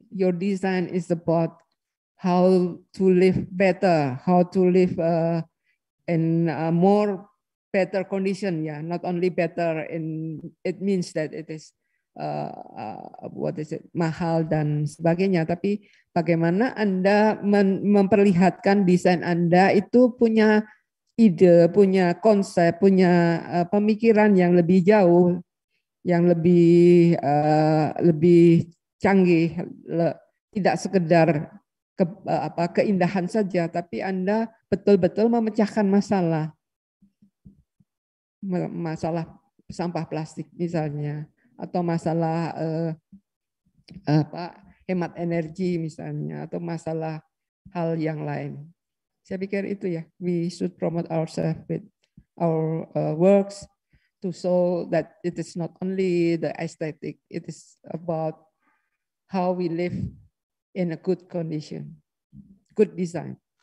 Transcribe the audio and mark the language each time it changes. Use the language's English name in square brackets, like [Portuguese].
[English] Your design is about how to live better, how to live in a more better condition. Yeah, not only better in, it means that it is [Indonesian] mahal dan sebagainya, tapi bagaimana Anda memperlihatkan desain Anda itu punya ide, punya konsep, punya pemikiran yang lebih jauh, yang lebih canggih, tidak sekedar keindahan saja, tapi Anda betul-betul memecahkan masalah sampah plastik misalnya, atau masalah hemat energi misalnya, atau masalah hal yang lain. Saya pikir itu ya, [English] we should promote ourselves with our works to show that it is not only the aesthetic, it is about how we live in a good condition, good design.